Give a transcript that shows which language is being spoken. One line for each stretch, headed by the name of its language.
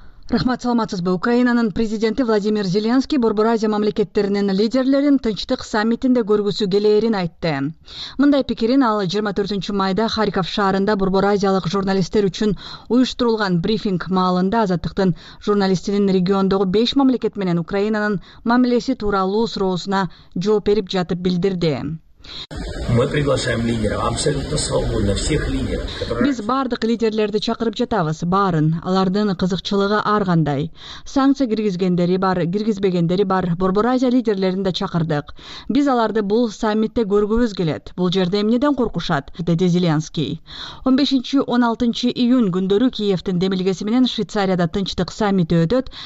Kyrgyz: Рахмат, саламатсызбы. Украинанын президенти Владимир Зеленский Борбор Азия мамлекеттеринин лидерлерин тынчтык саммитинде көргүсү келээрин айтты. Мындай пикирин ал 24 майда Харьков шаарында Борбор Азиялык журналисттер үчүн уюштурулган брифинг маалында Азаттыктын журналистинин региондогу 5 мамлекет менен Украинанын мамилеси тууралуу суроосуна жооп берип жатып билдирди.
Russian: Мы приглашаем лидеров абсолютно свободно, всех лидеров, которые...
Kyrgyz: Биз бардык лидерлерди чакырып жатабыз, баарын. Алардын кызыкчылыгы ар кандай. Санкция киргизгендери бар, киргизбегендери бар. Борбор Азия лидерлерин да чакырдык. Биз аларды бул саммитте көргүбүз келет. Бул жерде эмнеден коркушат? Деди Зеленский. 15-16 июнь күндөрү Киевтин демилгеси менен Швейцарияда тынчтык саммити өтөт.